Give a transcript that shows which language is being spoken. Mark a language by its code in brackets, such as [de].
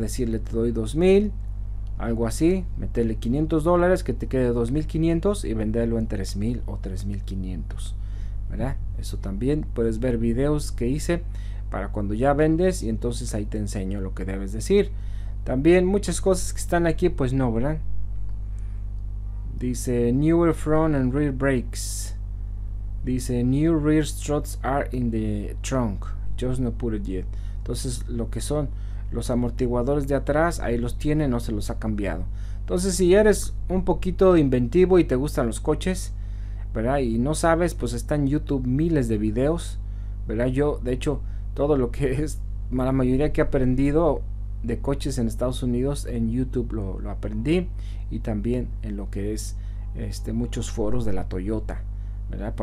[es] Decirle te doy 2.000, algo así, meterle $500 que te quede 2.500 y venderlo en 3.000 o 3.500, ¿verdad? Eso también puedes ver videos que hice para cuando ya vendes y entonces ahí te enseño lo que debes decir. También muchas cosas que están aquí, pues no, ¿verdad? [en] Dice newer front and rear brakes. Dice new rear struts are in the trunk. Just not put it yet. [es] Entonces, lo que son los amortiguadores de atrás, ahí los tiene, no se los ha cambiado. Entonces, si eres un poquito inventivo y te gustan los coches, ¿verdad? Y no sabes, pues está en YouTube miles de videos, ¿verdad? Yo, de hecho, todo lo que es, la mayoría que he aprendido de coches en Estados Unidos en YouTube lo aprendí y también en lo que es muchos foros de la Toyota, ¿verdad?